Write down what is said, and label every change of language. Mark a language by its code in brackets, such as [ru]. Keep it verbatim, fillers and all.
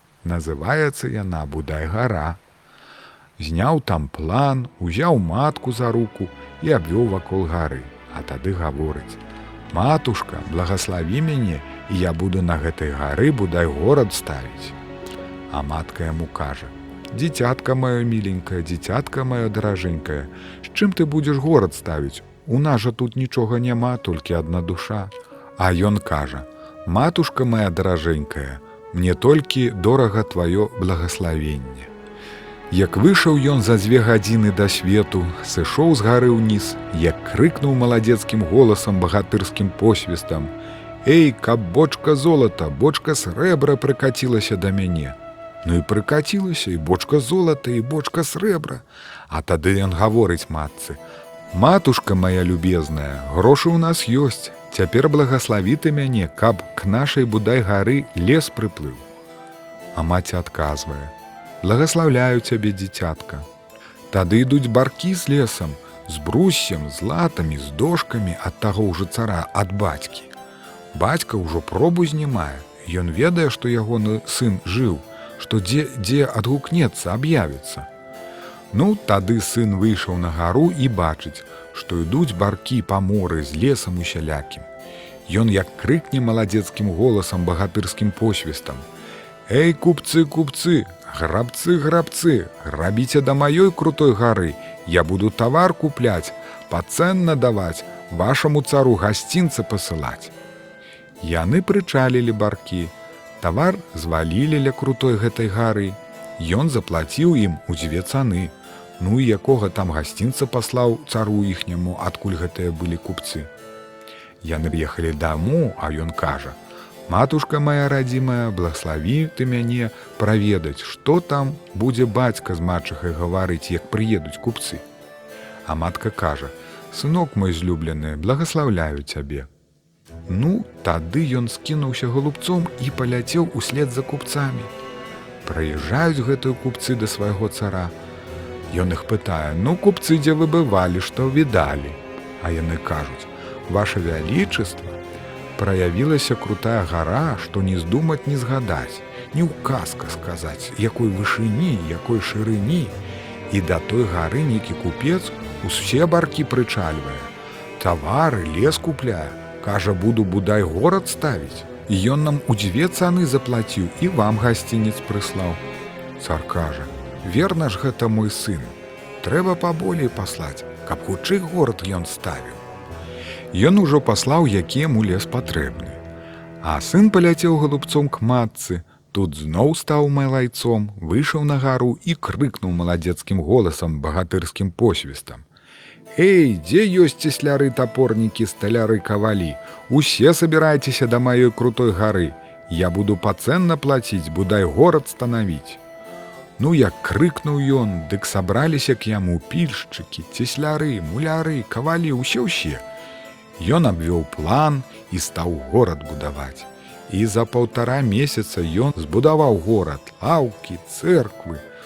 [be] Называецца яна Будай гара. Зняў там план, узяў матку за руку і абвёў вакол гары, а тады гаворыць: «Матушка, благослови мяне, і я буду на гэтай гары Будай горад ставіць». А матка яму кажа: «Дзіцятка маё міленькае, дзіцятка маё даражэнькае, з чым ты будзеш горад ставіць? У нас жа тут нічога няма, толькі адна душа». А ён кажа: «Матушка моя даражэнькая, мне толькі дорага твоё благословенне». Як выйшаў ён за дзве гадзіны да свету, сышоў з гары ўніз, як крыкнуў маладзецкім голасам, багатырскім посвістам: «Эй, каб бочка золата, бочка срэбра прыкацілася да мяне». Ну і прыкацілася і бочка золата, і бочка срэбра. А тады ён гаворыць матцы: «Матушка моя любезная, грошы ў нас ёсць, цяпер благослови ты мяне, каб к нашай Будай гары лес прыплыў». А маці адказвае: «Благослаўляю цябе, дзіцятка». Тады ідуць баркі з лесам, з бруссем, з латамі, з дошкамі ад таго ўжо цара, ад бацькі. Бацька ўжо пробу знімае, ён ведае, што ягоны сын жыў, што дзе, дзе адгукнецца, аб'явіцца. Ну, тады сын выйшаў на гару і бачыць, што ідуць баркі па моры з лесам усялякім. Ён як крыкне маладзецкім голасам, багатырскім посвістам: [ru] Эй, купцы, купцы, грабцы, грабцы, грабите до моей крутой горы, я буду товар куплять, по ценно давать, вашему цару гостинцы посылать. [be] Яны прычалілі баркі, тавар звалілі ля крутой гэтай гары. Ён заплаціў ім у дзве цаны. Ну і якога там гасцінца паслаў цару іхняму, адкуль гэтыя былі купцы. Яны ехалі даму, а ён кажа: «Матушка моя радзімая, благослови ты мяне праведаць, што там будзе бацька з матчыхай гаварыць, як прыедуць купцы». А матка кажа: «Сынок мой злюблены, благословляю цябе». Ну, тады ён скінуўся галубцом і паляцеў услед за купцамі. Прыязджаюць гэтыя купцы да свайго цара. Ён іх пытае: «Ну, купцы, дзе вы бывалі, што відалі?» А яны кажуць: «Ваша вялічества, праявілася крутая гора, што не здумаць, не згадаць, не ў казка сказаць, якой вышыні, якой шырыні». І да той гары нейкі купец усе баркі прычальвае, тавары, лес купляе. Кажа, буду будай горад ставіць. І ён нам у дзве цаны заплаціў і вам гасцінец прыслаў. Цар кажа: «Верна ж гэта мой сын. Трэба паболей паслаць, каб хутчэй горад ён ставіў». Ён ужо паслаў, які яму лес патрэбны. А сын паляцеў галубцом к матцы. Тут зноў стаў малайцом, выйшаў на гару і крыкнуў маладзецкім голасам, багатырскім посвістам: «Эй, дзе ёсць цесляры, топорнікі, сталяры, кавалі? [ru] Усе собирайтеся до моей крутой горы. [be] Я буду пацэнна плаціць, будай горад станавіць». Ну, як крыкнуў ён, дык сабраліся к яму пільшчыкі, цесляры, муляры, кавалі, усе-ўсе. Ён абвёў план і стаў горад будаваць. І за паўтара месяца ён збудаваў горад, лаўкі, церквы.